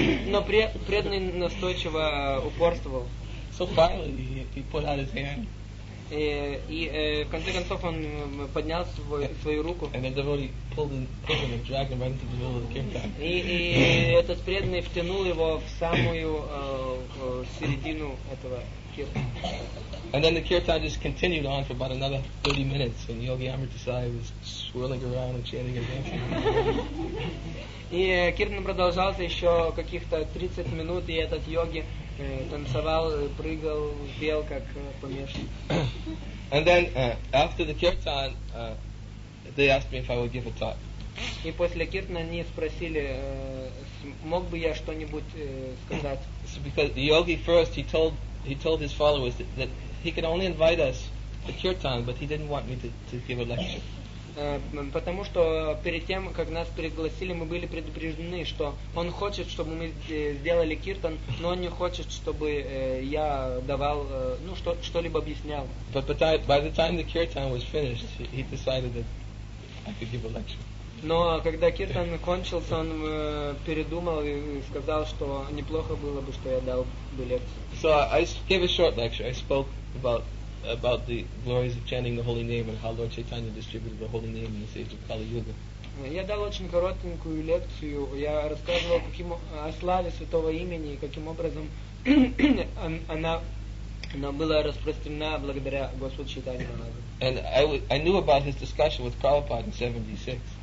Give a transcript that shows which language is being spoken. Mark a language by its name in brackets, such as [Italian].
[Russian] Но преданный настойчиво упорствовал. [English] So finally he put out his hand. [Russian] И в конце концов он поднял свою руку. И этот преданный втянул его в самую середину этого киртана. [English] And then the kirtan just continued on for about another 30 minutes, and Yogi Amritasai was swirling around and chanting and dancing. [Russian] И киртан продолжался еще каких-то 30 минут, и этот йоги танцевал, прыгал, пел как помешанный. [English] And then after the kirtan, they asked me if I would give a talk. [Russian] И после киртана они спросили, смог бы я что-нибудь сказать? [English] Because the yogi first he told his followers that he could only invite us to kirtan, but he didn't want me to give a lecture. [Russian] Потому что перед тем, как нас пригласили, мы были предупреждены, что он хочет, чтобы мы сделали киртан, но он не хочет, чтобы я давал, что-либо объяснял. [English] By the time the kirtan was finished, he decided that I could give a lecture. [Russian] Но когда киртан кончился, он передумал и сказал, что неплохо было бы, что я дал бы лекцию. [English] So I gave a short lecture. I spoke about the glories of chanting the holy name and how Lord Chaitanya distributed the holy name in this age of Kali Yuga. [Russian] Я дал очень коротенькую лекцию. Я рассказывал о славе святого имени и каким образом она была распространена благодаря Господу Чайтанье Махапрабху. [English] And I knew about his discussion with Prabhupada in 76.